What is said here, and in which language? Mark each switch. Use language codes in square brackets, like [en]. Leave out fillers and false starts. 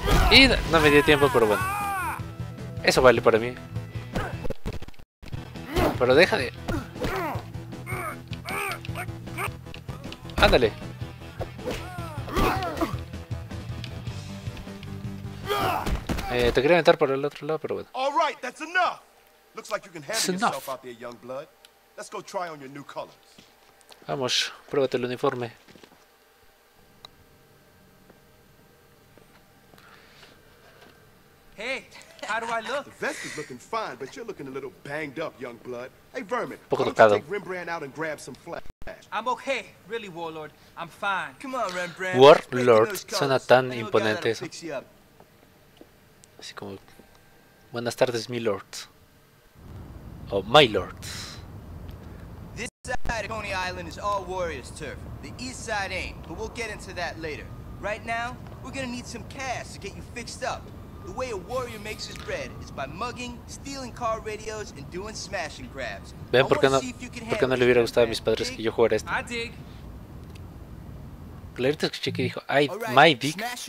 [es] Y no me dio tiempo, pero bueno. Eso vale para mí. Pero deja de... ¡Ándale! Te quería aventar por el otro lado, pero bueno. [en] Alright, that's enough. Looks like you can handle yourself out there, young blood. Let's go try on your new colors. [es] Vamos, pruébate el uniforme. [en] Hey. How do I look? The vest is looking fine, but you're looking a little banged up, young blood. Hey, Vermin, why don't you take Rembrandt out and grab some flash? I'm okay, really, Warlord. I'm fine. Come on, Rembrandt. [es] Warlord, suena tan imponente eso. Así como... Buenas tardes, mi lord. [en] Oh, my lord. This side of Coney Island is all warriors' turf. The east side ain't, but we'll get into that later. Right now, we're gonna need some cash to get you fixed up. The way a warrior makes his bread is by mugging, stealing car radios, and doing smash and grabs. [es] Ven, ¿por qué no le hubiera gustado a mis padres que yo jugara esto? [en] I dig. [es] Claro que escuché que dijo, ay, [en] my dick.